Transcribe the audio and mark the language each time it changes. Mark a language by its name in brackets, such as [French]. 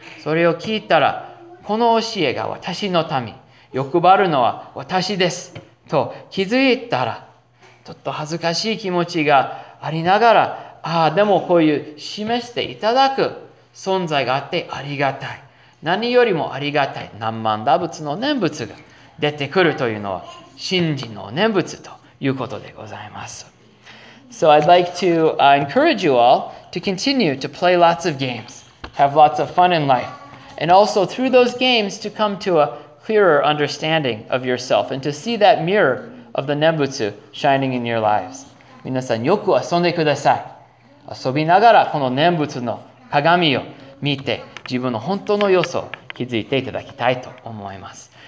[Japanese] それを聞いたら、この教えが私の民、欲張るのは私ですと気づいたら、ちょっと恥ずかしい気持ちがありながら、ああでもこういう示していただく存在があってありがたい、何よりもありがたい、何万打仏の念仏が出てくるというのは信心の念仏ということでございます。 [English] So I'd like to encourage you all to continue to play lots of games, have lots of fun in life, and also through those games to come to a clearer understanding of yourself and to see that mirror of the Nembutsu shining in your lives. [Japanese] 皆さんよく遊んでください。遊びながらこの念仏の鏡を見て自分の本当の様子を気づいていただきたいと思います。